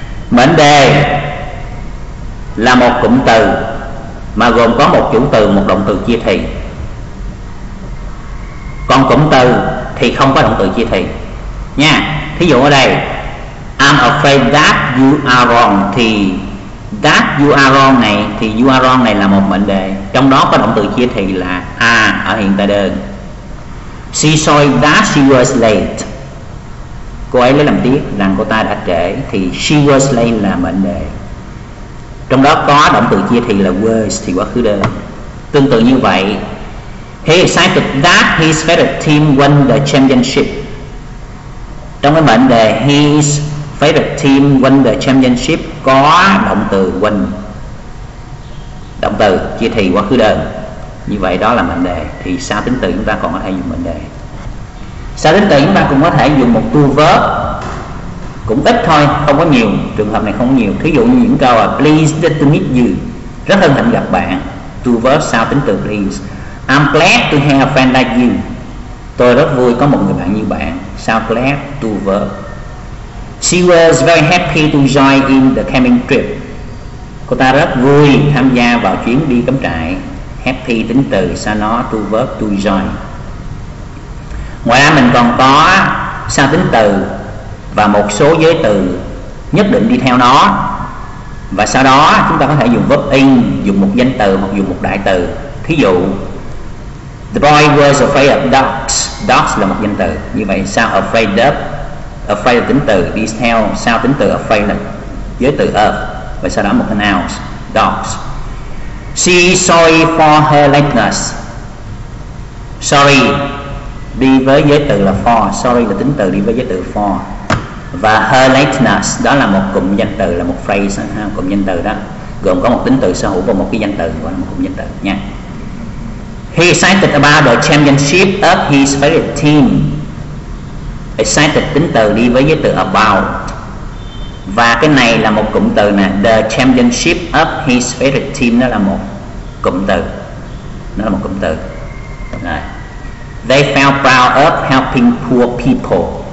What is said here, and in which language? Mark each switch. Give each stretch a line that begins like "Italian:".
Vietnamese: Mệnh đề là một cụm từ mà gồm có một chủ từ, một động từ chia thì. Còn cụm từ thì không có động từ chia thì nha. Thí dụ ở đây,
English: I'm afraid that you are wrong.
Vietnamese: Thì
English: that you are wrong
Vietnamese: này, thì
English: you are wrong
Vietnamese: này là một mệnh đề, trong đó có động từ chia thì là a ở hiện tại đơn.
English: She saw that she was late.
Vietnamese: Cô ấy lấy làm tiếc rằng cô ta đã trễ. Thì
English: she was late
Vietnamese: là mệnh đề, trong đó có động từ chia thì là was, thì quá khứ đơn. Tương tự như vậy,
English: he excited that his favorite team won the championship.
Vietnamese: Trong cái mệnh đề
English: his favorite team won the championship
Vietnamese: có động từ win, động từ chia thì quá khứ đơn. Như vậy đó là mệnh đề. Thì sau tính từ chúng ta còn có thể dùng mệnh đề. Sau tính từ chúng ta cũng có thể dùng một to verb, cũng ít thôi, không có nhiều. Trường hợp này không nhiều. Thí dụ như những câu là
English: please to meet you,
Vietnamese: rất hân hạnh gặp bạn. To verb sau tính từ please.
English: I'm glad to have a friend like you.
Vietnamese: Tôi rất vui có một người bạn như bạn. Sau glad to verb.
English: She was very happy to join in the camping trip.
Vietnamese: Cô ta rất vui tham gia vào chuyến đi cắm trại. Happy tính từ, sau nó to verb to join. Ngoài ra mình còn có sau tính từ và một số giới từ nhất định đi theo nó. Và sau đó chúng ta có thể dùng verb in, dùng một danh từ hoặc dùng một đại từ. Thí dụ,
English: the boy was afraid of dogs.
Vietnamese: Dogs là một danh từ. Như vậy sao afraid of, afraid là tính từ, đi theo sao tính từ afraid là giới từ of. Và sau đó một cái
English: noun, dogs. She sorry for her lateness.
Vietnamese: Sorry đi với giới từ là for. Sorry là tính từ đi với giới từ for. Và her lateness đó là một cụm danh từ, là một phrase, ha, cụm danh từ đó gồm có một tính từ sở hữu và một cái danh từ và một cụm danh từ nha.
English: He excited about the championship of his favorite team.
Vietnamese: Excited tính từ đi với giới từ about. Và cái này là một cụm từ nè.
English: The championship of his favorite team,
Vietnamese: nó là một cụm từ. Nó là một cụm từ. Rồi.
English: They felt proud of helping poor people.